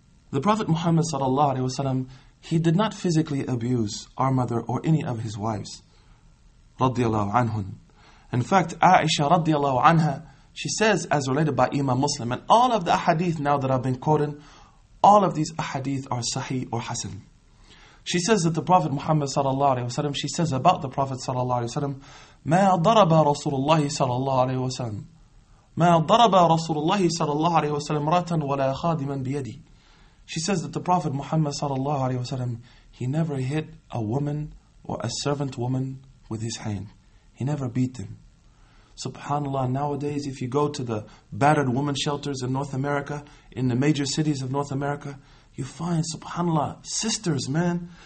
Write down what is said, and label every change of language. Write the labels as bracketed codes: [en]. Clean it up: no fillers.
[en] The Prophet Muhammad sallallahu alayhi wa sallam, he did not physically abuse our mother or any of his wives. In fact, Aisha radiallahu anha, She says, as related by Imam Muslim, and all of the ahadith now that I've been quoting, all of these ahadith are sahih or hasan. She says that the Prophet Muhammad sallallahu alaihi wasallam, [ar] she says about the Prophet sallallahu alaihi wasallam, ما ضرب رسول الله صلى الله عليه وسلم ما ضرب رسول الله صلى الله عليه وسلم رأتا ولا خادما بيدي. [en] She says that the Prophet Muhammad sallallahu alaihi wasallam, he never hit a woman or a servant woman with his hand. He never beat them. Subhanallah, nowadays if you go to the battered woman shelters in North America, in the major cities of North America, you find, subhanallah, sisters, man.